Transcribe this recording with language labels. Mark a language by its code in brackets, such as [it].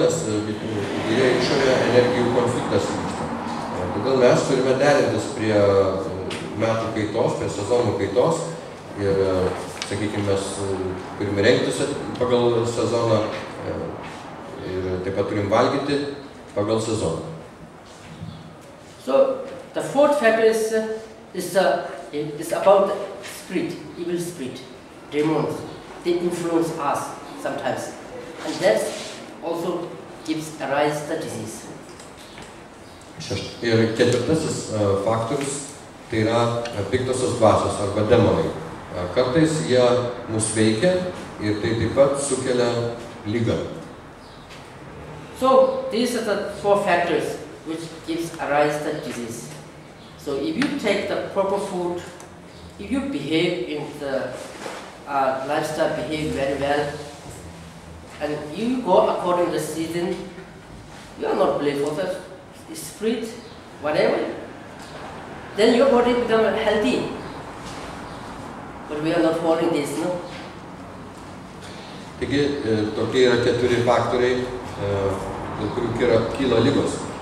[lt] Nes yra išorėje energijų konfliktas. Todėl mes turime derintis prie metų kaitos, prie sezonų kaitos. Ir sakykime, mes turime rengtis pagal sezoną ir taip pat turim valgyti pagal sezoną. [en] So, the fourth factor is about the spirit, evil spirit, demons. They influence us sometimes. And that also gives arise the disease. [lt] Ir ketvirtasis faktorius, tai yra piktosios dvasios arba demonai. Kartais jie mus veikia ir tai taip pat sukelia ligą. [en] So, these are the four factors which gives arise the disease. So, if you take the proper food, if you behave in the lifestyle, behave very well, and you go according to the season, you are not blamed for the spirit, whatever, then your body becomes healthy. But we are not following this, no? [lt] Taigi, tokie yra keturi faktoriai, dėl kurių yra kyla ligos.